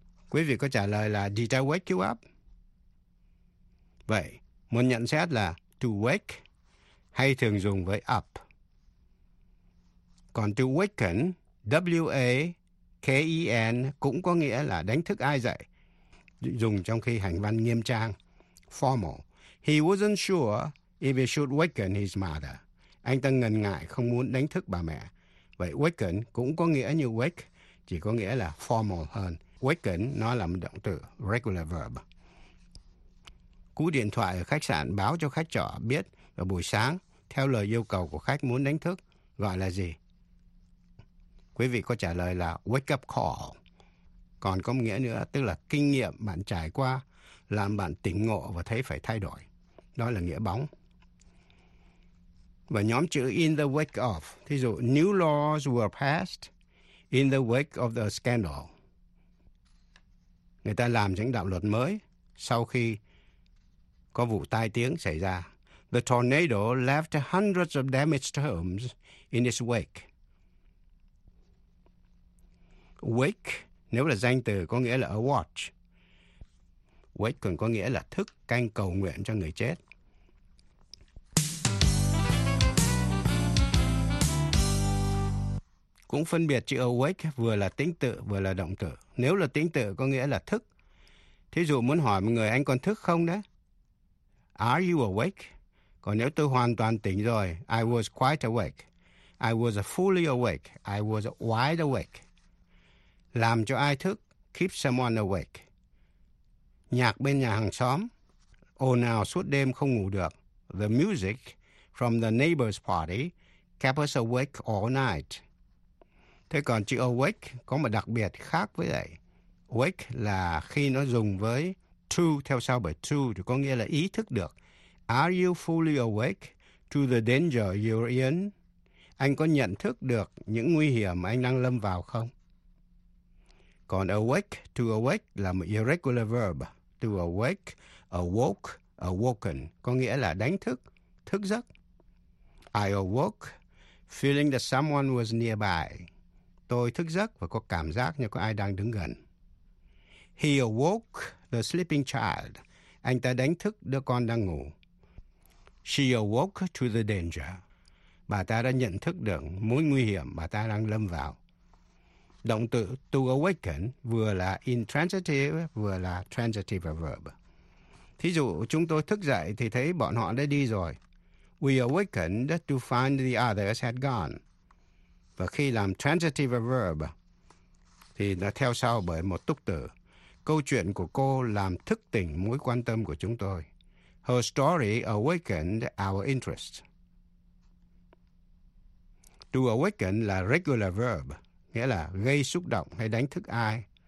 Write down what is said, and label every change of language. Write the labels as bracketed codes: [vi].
[vi] Quý vị có trả lời là, [en] did I wake you up? [vi] Vậy, một nhận xét là, to wake hay thường dùng với up. Còn to waken, W-A-K-E-N, cũng có nghĩa là đánh thức ai dậy. Dùng trong khi hành văn nghiêm trang, formal. [en] He wasn't sure if he should waken his mother. [vi] Anh ta ngần ngại không muốn đánh thức bà mẹ. Vậy waken cũng có nghĩa như wake, chỉ có nghĩa là formal hơn. Waken nó là một động từ, regular verb. Cú điện thoại ở khách sạn báo cho khách trọ biết vào buổi sáng, theo lời yêu cầu của khách muốn đánh thức, gọi là gì? Quý vị có trả lời là wake up call. Còn có nghĩa nữa, tức là kinh nghiệm bạn trải qua làm bạn tỉnh ngộ và thấy phải thay đổi. Đó là nghĩa bóng. Và nhóm chữ [en] in the wake of, [vi] thí dụ [en] new laws were passed in the wake of the scandal. [vi] Người ta làm những đạo luật mới sau khi có vụ tai tiếng xảy ra. [en] The tornado left hundreds of damaged homes in its wake. [vi] Wake nếu là danh từ có nghĩa là a watch. Wake còn có nghĩa là thức, canh cầu nguyện cho người chết. Cũng phân biệt chữ awake vừa là tính tự vừa là động từ. Nếu là tính tự có nghĩa là thức. Thí dụ muốn hỏi một người anh còn thức không đấy? [en] Are you awake? [vi] Còn nếu tôi hoàn toàn tỉnh rồi, [en] I was quite awake. I was fully awake. I was wide awake. [vi] Làm cho ai thức, [en] keep someone awake. [vi] Nhạc bên nhà hàng xóm, ồn ào suốt đêm không ngủ được. [en] The music from the neighbor's party kept us awake all night. [vi] Thế còn chữ awake có một đặc biệt khác với vậy. Wake là khi nó dùng với to, theo sau bởi to thì có nghĩa là ý thức được. [en] Are you fully awake to the danger you're in? [vi] Anh có nhận thức được những nguy hiểm mà anh đang lâm vào không? Còn awake, to awake là một irregular verb. To awake, awoke, awoken có nghĩa là đánh thức, thức giấc. [en] I awoke feeling that someone was nearby. [vi] Tôi thức giấc và có cảm giác như có ai đang đứng gần. [en] He awoke the sleeping child. [vi] Anh ta đánh thức đứa con đang ngủ. [en] She awoke to the danger. [vi] Bà ta đã nhận thức được mối nguy hiểm bà ta đang lâm vào. Động từ to awaken vừa là intransitive vừa là transitive verb. Thí dụ chúng tôi thức dậy thì thấy bọn họ đã đi rồi. [en] We awakened to find the others had gone. [vi] Và khi làm transitive verb thì nó theo sau bởi một túc từ. Câu chuyện của cô làm thức tỉnh mối quan tâm của chúng tôi. [en] Her story awakened our interest. [vi] To awaken là regular verb, nghĩa là gây xúc động hay đánh thức ai.